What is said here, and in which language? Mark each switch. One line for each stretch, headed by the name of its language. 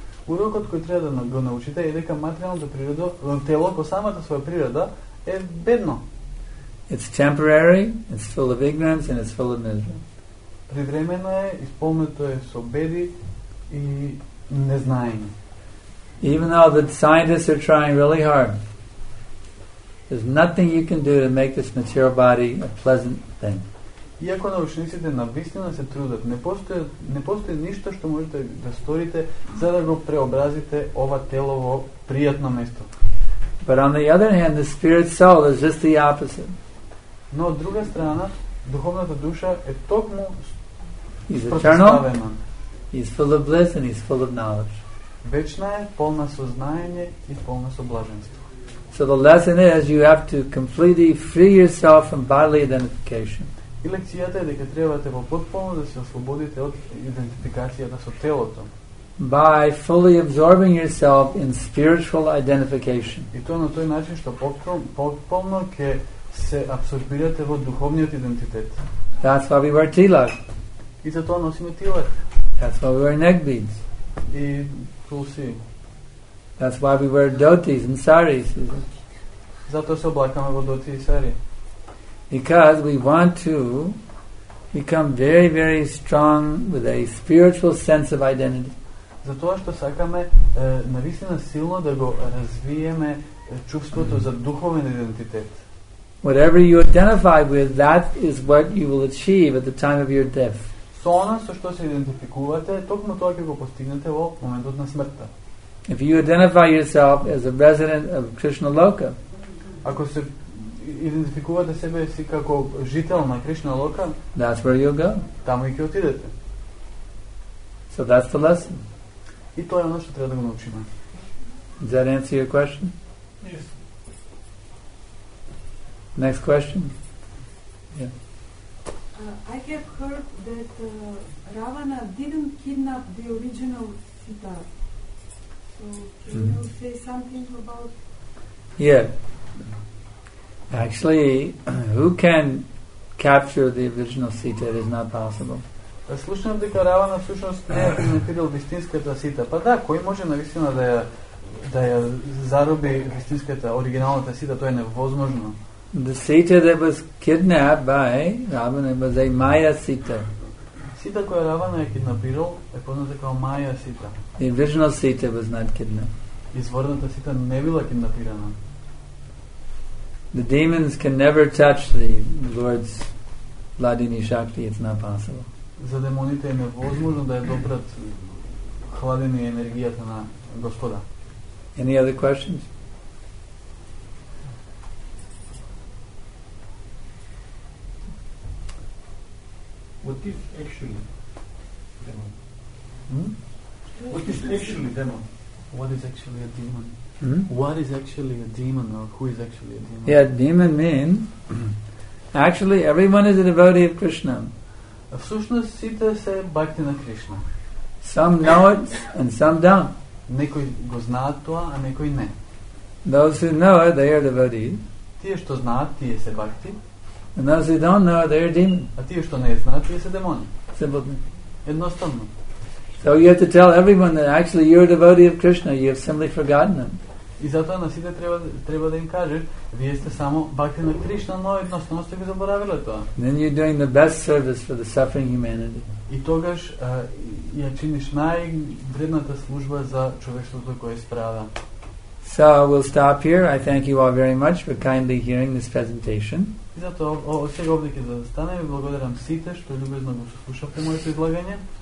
Macedonian: Урокот кој треба да го научите е дека материјалното тело по самата своја природа е бедно.
English: It's temporary, it's full of ignorance and it's full of misery.
Macedonian: Привремено е, исполнето е со беди и незнаење.
English: Even though the scientists are trying really hard, there's nothing you can do to make this material body a pleasant thing.
Macedonian: Иако научниците навистина се трудат, не постои ништо што можете да сторите за да го преобразите ова тело во пријатно место.
English: But on the other hand, the spirit soul is just the opposite.
Macedonian: Но од друга страна, духовната душа е токму спротивставена.
English: He's full of bliss and he's full of knowledge.
Macedonian: Вечна е, полна со знаење и полна со блаженство.
English: So the lesson is you have to completely free yourself from bodily identification.
Macedonian: И лекцијата е дека требате во потполно да се ослободите од идентификацијата со телото.
English: By fully absorbing yourself in spiritual identification.
Macedonian: И тоа на тој начин што потполно ќе се абсорбирате во духовниот идентитет.
English: That's why we wear tilak.
Macedonian: И за тоа носиме тилак.
English: That's why we wear neck beads.
Macedonian: И тулси.
English: That's why we wear dhotis and saris.
Macedonian: Затоа се облакаме во dhoti и sari.
English: Because we want to become very, very strong with a spiritual sense of identity.
Macedonian: Затоа што сакаме навистина силно да го развиеме чувството за духовен идентитет.
English: Whatever you identify with, that is what you will achieve at the time of your death.
Macedonian: Со она со што се идентификувате, токму тоа ќе го постигнете во моментот на смртта.
English: If you identify yourself as a resident of Krishna Loka,
Macedonian: ако се идентификувате себе си како жител на Кришна Лока,
English: that's where you'll go.
Macedonian: Таму ќе отидете.
English: So that's the lesson.
Macedonian: И тоа е она што треба да го научиме.
English: Does that answer your question? Yes. Next question. Yeah. I have heard that Ravana didn't kidnap the original Sita. So can you say something about... Yeah. Actually, who can capture the original Sita? It is not possible.
Macedonian: Слушам дека Равана всушност не е кинетирал вистинската Сита. Па да, кој може навистина да ја заруби вистинската, оригиналната Сита? Тоа е невозможно.
English: The Sita that was kidnapped by Ravana was a Maya Sita.
Macedonian: Sita која Ravana е киднапирал е позната како Maya Sita.
English: The original Sita was not kidnapped.
Macedonian: Изворната Сита не била киднапирана.
English: The demons can never touch the Lord's Ladini Shakti, it's not possible.
Macedonian: За демоните е невозможно да ја допрат хладени енергијата на Господа.
English: Any other questions? What is actually demon? Hmm? What is actually demon? What is actually a demon? Hmm? What is actually a demon, or who is actually a demon? Yeah, demon mean actually everyone is a devotee of Krishna.
Macedonian: Всъщност сите се бхакти на Кришна.
English: Some know it and some don't.
Macedonian: Некои го знаат тоа, а некои не.
English: Those who know it, they are devotees.
Macedonian: Тие што знаат, тие се бхакти.
English: And those who don't know it, they are demons.
Macedonian: А тие што не знаат, тие се демони.
English: Simple.
Macedonian: Едноставно.
English: So you have to tell everyone that actually you're a devotee of Krishna. You have simply forgotten them.
Macedonian: И затоа на сите треба да им кажеш, вие сте само бхакти на Кришна, но едноставно сте ги заборавиле тоа.
English: Then you're doing the best service for the suffering humanity.
Macedonian: И тогаш ја чиниш највредната служба за човештвото кое страда.
English: So we'll stop here. I thank you all very much for kindly hearing this presentation.
Macedonian: И затоа сега овде ќе застанам и благодарам сите што љубезно го слушавте моето излагање.